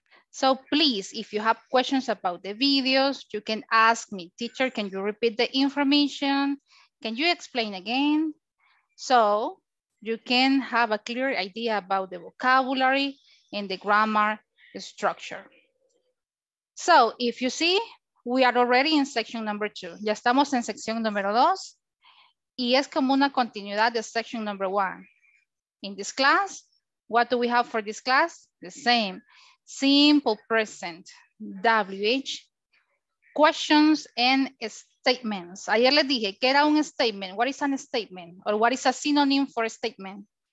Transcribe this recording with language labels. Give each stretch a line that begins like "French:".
English: So please, if you have questions about the videos, you can ask me, teacher, can you repeat the information? Can you explain again? So you can have a clear idea about the vocabulary and the grammar structure. So if you see, we are already in section number 2.
Spanish: Ya estamos en sección número 2. Y es como una continuidad de
English: section number 1. In this class, what do we have for this class? The same. Simple present, WH, questions and statements.
Spanish: Ayer les dije, ¿qué era un statement?
English: What is an statement? Or what is a synonym for a statement?